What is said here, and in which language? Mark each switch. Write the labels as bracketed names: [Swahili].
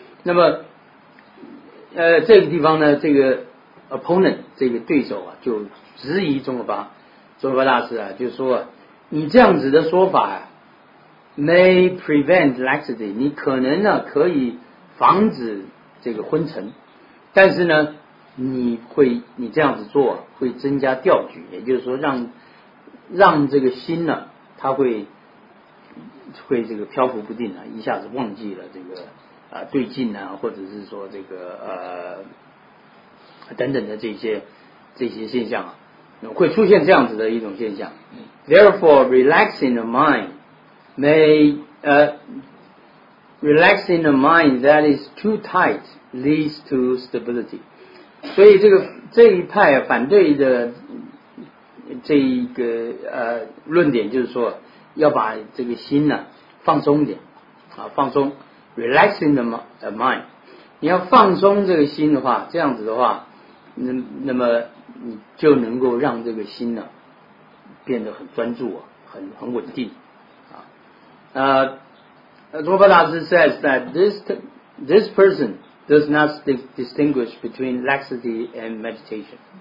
[Chinese] 那么这个地方呢，这个 opponent 这个对手啊就质疑宗喀巴大师啊，就说你这样子的说法啊 [English] may prevent laxity， [Chinese] 你可能呢可以防止这个昏沉，但是呢你这样子做会增加调举，也就是说让这个心呢它会这个漂浮不定啊，一下子忘记了这个对境啊，或者是说这个等等的这些现象啊，会出现这样子的一种现象。 [English] Therefore, relaxing the mind that is too tight leads to stability。 [Chinese] 所以这一派反对的这一个论点就是说要把这个心呢放松一点啊，放松 [English] relaxing the mind， [Chinese] 你要放松这个心的话，这样子的话那么你就能够让这个心呢变得很专注啊，很稳定啊。 [English] 宗喀巴大师 says that this person does not distinguish between laxity and meditation。